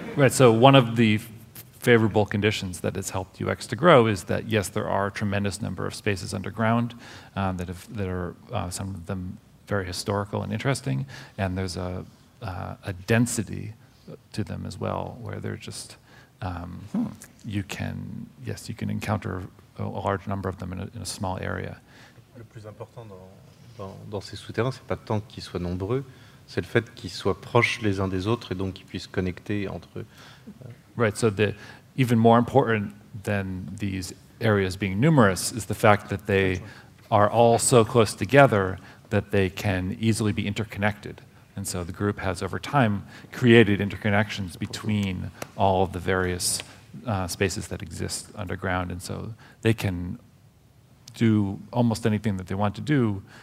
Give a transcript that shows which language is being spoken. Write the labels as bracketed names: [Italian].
[English] So one of the favorable conditions that has helped UX to grow is that yes, there are a tremendous number of spaces underground that are some of them very historical and interesting, and there's a density to them as well, where they're just you can encounter a large number of them in a small area. [French] Le plus important dans ces souterrains, c'est pas tant qu'ils soient nombreux. C'est le fait qu'ils soient proches les uns des autres et donc qu'ils puissent connecter entre eux. [English] Right, so the even more important than these areas being numerous is the fact that they are all so close together that they can easily be interconnected. And so the group has over time created interconnections between all of the various spaces that exist underground, and so they can do almost anything that they want to do.